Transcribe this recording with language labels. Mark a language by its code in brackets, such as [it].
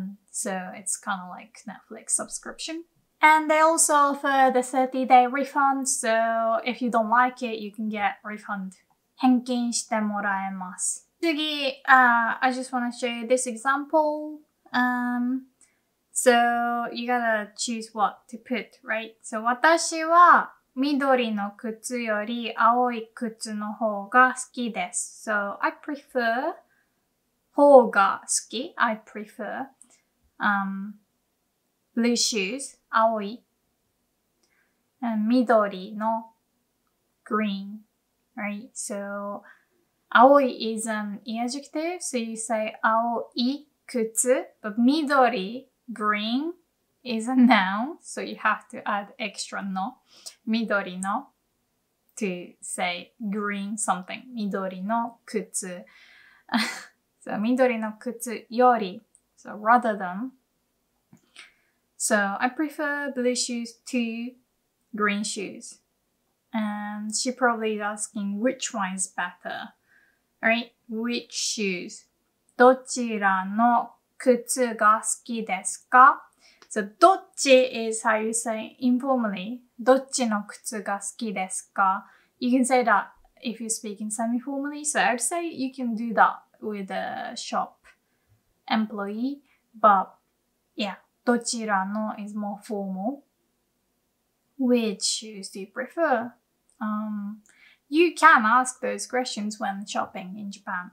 [en] So it's kind of like Netflix subscription. And they also offer the 30-day refund, so if you don't like it, you can get refund. [ja] 返金してもらえます。 [en] 次, I just want to show you this example. So you gotta choose what to put, right? [ja] So 私は緑の靴より青い靴の方が好きです。 [en] So I prefer 方が好き, I prefer blue shoes. Aoi and midori no green, right? So aoi is an adjective, so you say aoi kutsu, but midori green is a noun, so you have to add extra no, midori no, to say green something, midori no kutsu. So midori no kutsu yori, so rather than. So, I prefer blue shoes to green shoes. And she probably is asking which one is better. Right? Which shoes? [ja] どちらの靴が好きですか? [en] So, どっち is how you say informally. [ja] どっちの靴が好きですか? [en] You can say that if you speak in semi-formally. So, I'd say you can do that with a shop employee. But, yeah. どちらの is more formal. Which shoes do you prefer? You can ask those questions when shopping in Japan.